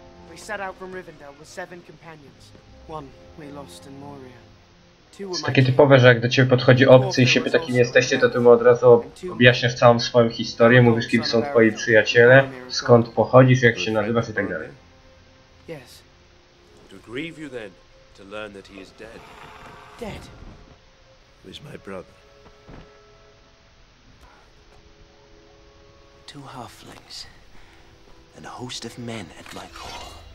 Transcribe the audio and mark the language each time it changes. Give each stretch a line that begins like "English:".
English: We set out from Rivendell with 7 companions. One we lost in Moria. Two were
Polish: takie typowe, że jak do ciebie podchodzi obcy i się pyta, kim jesteście, to ty mu od razu objaśniasz całą swoją historię, mówisz, kim są twoi przyjaciele, skąd pochodzisz, jak się nazywasz i tak dalej.
English: Yes. To grieve you then to learn that he is dead. Dead. He is my brother. Two halflings. And a host of men at my call.